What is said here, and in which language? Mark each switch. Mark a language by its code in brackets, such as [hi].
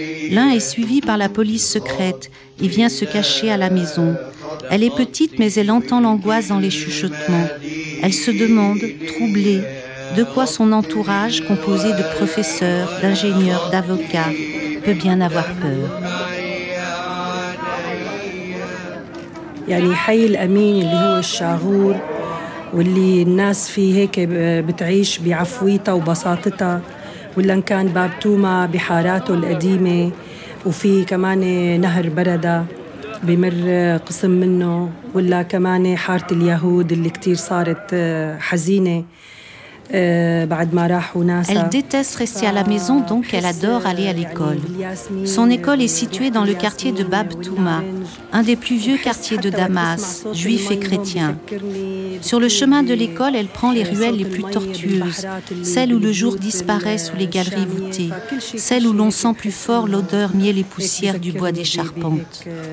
[fr] L'un est suivi par la police secrète et vient se cacher à la maison. Elle est petite, mais elle entend l'angoisse dans les chuchotements. Elle se demande, troublée, de quoi son entourage, composé de professeurs, d'ingénieurs, d'avocats, peut bien avoir peur. [ar] يعني حي الأمين اللي هو الشاغور واللي الناس فيه هيك بتعيش بعفويتها وبساطتها ولا إن كان باب توما بحاراته القديمة وفي كمان نهر بردة بمر قسم منه ولا كمان حارة اليهود اللي كتير صارت حزينة. [fr] Elle déteste rester à la maison, donc elle adore aller à l'école. Son école est située dans le quartier de Bab Touma, un des plus vieux quartiers de Damas, juifs et chrétiens. Sur le chemin de l'école, elle prend les ruelles les plus tortueuses, celles où le jour disparaît sous les galeries voûtées, celles où l'on sent plus fort l'odeur miel et poussière du bois des charpentes.